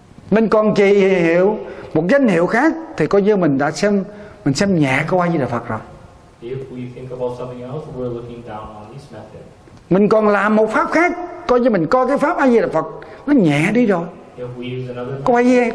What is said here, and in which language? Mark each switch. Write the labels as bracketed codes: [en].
[vi] Mình còn trì hiệu, một danh hiệu khác thì coi như mình đã xem, mình xem nhẹ câu A Di Đà Phật rồi. [en] If we think about something else, we're looking down on this method. [vi] Mình còn làm một pháp khác, coi như mình coi cái pháp A Di Đà Phật nó nhẹ đi rồi. Có phải gì?